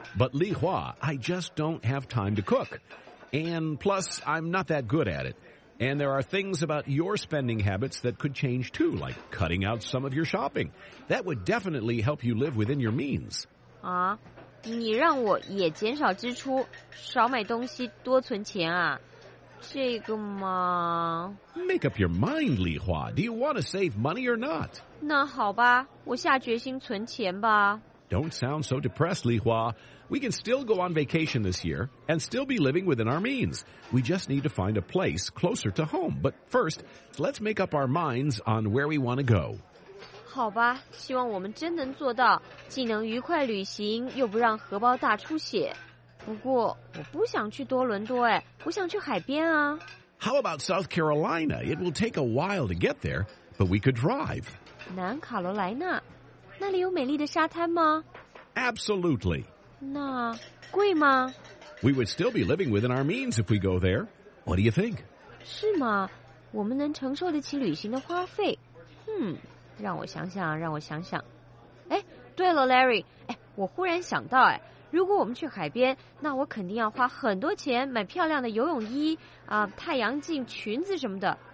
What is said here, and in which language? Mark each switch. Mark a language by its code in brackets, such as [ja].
[en] But Li Hua, I just don't have time to cook. And plus, I'm not that good at it. And there are things about your spending habits that could change too, like cutting out some of your shopping. That would definitely help you live within your means. [zh] 啊，你让我也减少支出，少买东西，多存钱啊。这个吗 [en] Make up your mind, Li Hua. Do you want to save money or not? [zh] 那好吧，我下决心存钱吧。 [en] Don't sound so depressed, Li Hua. We can still go on vacation this year and still be living within our means. We just need to find a place closer to home. But first, let's make up our minds on where we want to go. [zh] 好吧，希望我们真能做到，既能愉快旅行，又不让荷包大出血。不过我不想去多伦多哎，我想去海边啊。 [en] How about South Carolina? It will take a while to get there, but we could drive. [zh] 南卡罗来纳，那里有美丽的沙滩吗？ [en] Absolutely. [zh] 那贵吗？ [en] We would still be living within our means if we go there. What do you think? [zh] 是吗？我们能承受得起旅行的花费？让我想想，让我想想。哎，对了 ，Larry， 哎，我忽然想到哎。如果我们去海边，那我肯定要花很多钱买漂亮的游泳衣啊、太阳镜、裙子什么的。